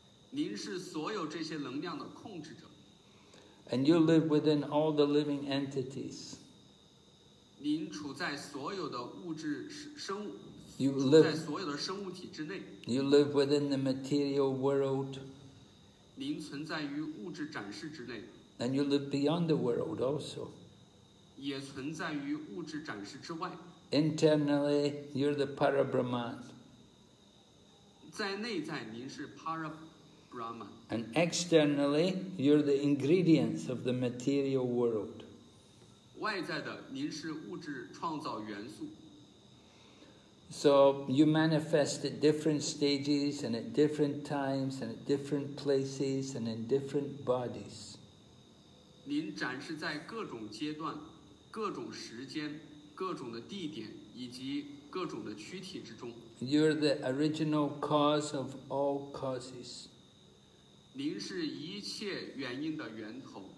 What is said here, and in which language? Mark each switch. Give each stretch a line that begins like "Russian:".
Chinese: 您是所有这些能量的控制者。
English: And you live within all the living entities.
Chinese: 您处在所有的物质生物。
English: You live,
Chinese: 处在所有的生物体之内。
English: You live within the material world.
Chinese: 您存在于物质展示之内。
English: And you live beyond the world also.
Chinese: 也存在于物质展示之外。
English: Internally, you're the Parabrahman.
Chinese: 在内在您是 para brahman
English: and externally you're the ingredients of the material world
Chinese: 外在的您是物质创造元素
English: so you manifest at different stages and at different times and at different places and in different bodies
Chinese: 您展示在各种阶段各种时间各种的地点以及各种的躯体之中
English: You're the original cause of all causes.
Chinese: 您是一切原因的源头